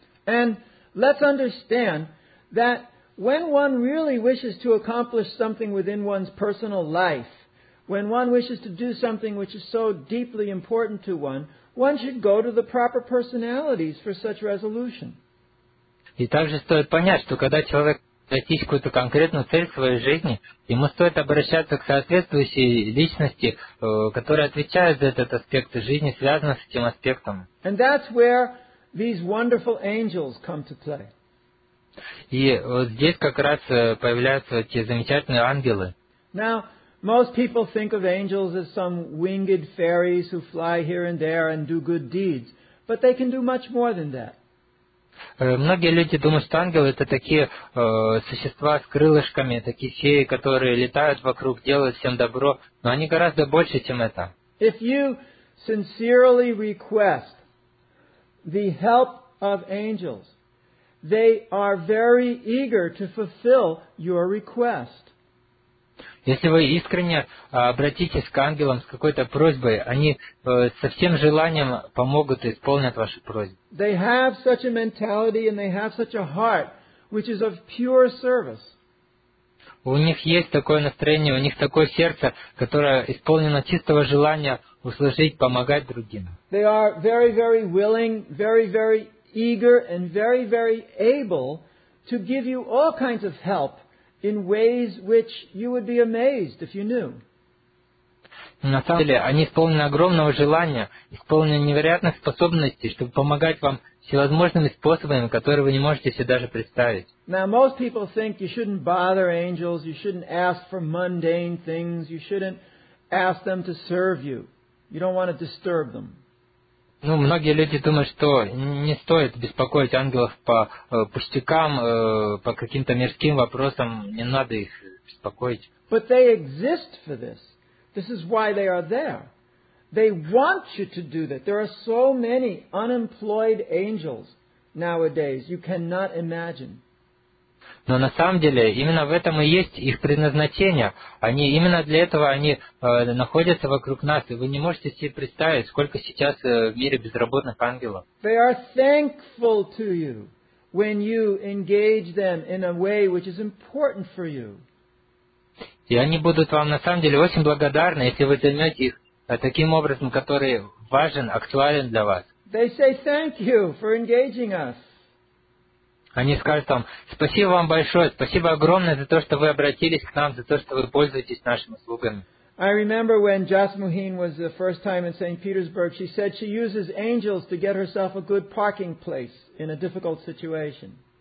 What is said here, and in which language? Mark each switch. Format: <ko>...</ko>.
<en>And let's understand that when one really wishes to accomplish something within one's personal life, when one wishes to do something which is so deeply important to one, one should go to the proper personalities for such resolution.</en> <ru>И также стоит понять, что когда человек достичь какую-то конкретную цель в своей жизни, ему стоит обращаться к соответствующей личности, которая отвечает за этот аспект жизни, связанный с этим аспектом.</ru> <en>And that's where these wonderful angels come to play.</en> <ru>И вот здесь как раз появляются эти замечательные ангелы.</ru> <en>Now, most people think of angels as some winged fairies who fly here and there and do good deeds, but they can do much more than that.</en> <ru>Многие люди думают, что ангелы это такие существа с крылышками, такие феи, которые летают вокруг, делают всем добро, но они гораздо больше, чем это.</ru> <en>If you sincerely request the help of angels, they are very eager to fulfill your request.</en> <ru>Если вы искренне обратитесь к ангелам с какой-то просьбой, они со всем желанием помогут и исполнят ваши просьбы.</ru> <en>They have such a mentality and they have such a heart, which is of pure service.</en> <ru>У них есть такое настроение, у них такое сердце, которое исполнено чистого желания услужить, помогать другим.</ru> <en>They are very, very willing, very, very eager and very, very able to give you all kinds of help in ways which you would be amazed if you knew.</en> <ru>На самом деле, они исполнены огромного желания, исполнены невероятных способностей, чтобы помогать вам всевозможными способами, которые вы не можете себе даже представить.</ru> <en>Now, most people think you shouldn't bother angels, you shouldn't ask for mundane things, you shouldn't ask them to serve you. You don't want to disturb them.</en> <ru>Ну, многие люди думают, что не стоит беспокоить ангелов по пустякам, по каким-то мирским вопросам, не надо их беспокоить.</ru> <en>But they exist for this. This is why they are there. They want you to do that. There are so many unemployed angels nowadays. You cannot imagine.</en> <ru>Но на самом деле, именно в этом и есть их предназначение. Они именно для этого они находятся вокруг нас, и вы не можете себе представить, сколько сейчас в мире безработных ангелов.</ru> <en>They are thankful to you when you engage them in a way which is important for you.</en> <ru>И они будут вам на самом деле очень благодарны, если вы займете их таким образом, который важен, актуален для вас.</ru> <en>They say thank you for engaging us.</en> <ru>Они скажут вам, спасибо вам большое, спасибо огромное за то, что вы обратились к нам, за то, что вы пользуетесь нашими услугами.</ru> <en>I remember when Jasmuheen was the first time in St. Petersburg, she said she uses angels to get herself a good parking place in a difficult situation.</en>